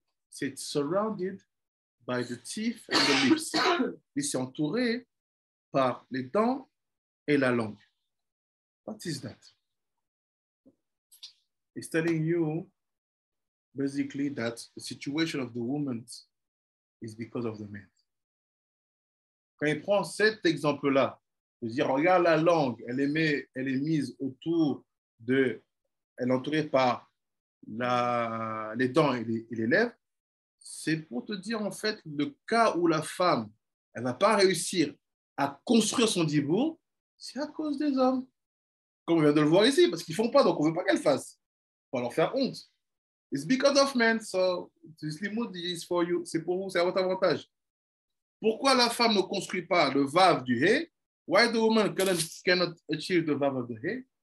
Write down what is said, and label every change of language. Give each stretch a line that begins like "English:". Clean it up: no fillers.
English: He said, surrounded by the teeth and the lips.
French: Il s'est entouré par les dents et la langue.
English: What is that? He's telling you basically that the situation of the woman is because of the man.
French: quand il prend cet exemple-là, de dire, regarde la langue, elle est mise autour de, elle est entourée par la, les dents et les lèvres, c'est pour te dire, en fait, le cas où la femme, elle ne va pas réussir à construire son dibourg, c'est à cause des hommes. Comme on vient de le voir ici, parce qu'ils ne font pas, donc on ne veut pas qu'elles fassent. On va leur faire honte.
English: It's because of men, so this limud is for you.
French: C'est pour vous, c'est à votre avantage. Pourquoi la femme ne construit pas le vav du hé?
English: Why the woman cannot achieve the vav of the hé?